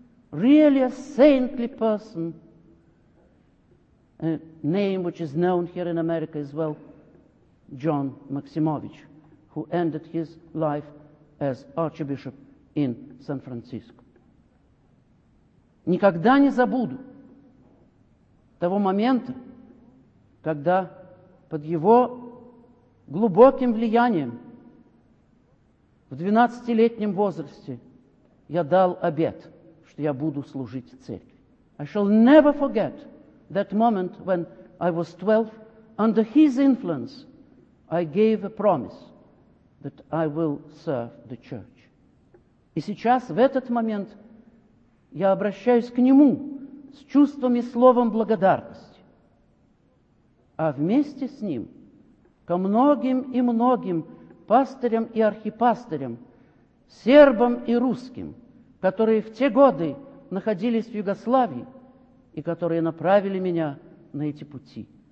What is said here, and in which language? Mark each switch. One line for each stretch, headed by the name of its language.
English: Really a saintly person, a name which is known here in America as well, John Maximovich, who ended his life as archbishop in San Francisco.
Russian: Никогда не забуду того момента, когда под его глубоким влиянием в 12-летнем возрасте я дал обет, что я буду служить церкви.
English: I shall never forget that moment when I was 12, under his influence, I gave a promise that I will serve the church.
Russian: И сейчас, в этот момент, я обращаюсь к нему с чувством и словом благодарности, а вместе с ним ко многим и многим пастырям и архипастырям, сербам и русским, которые в те годы находились в Югославии и которые направили меня на эти пути.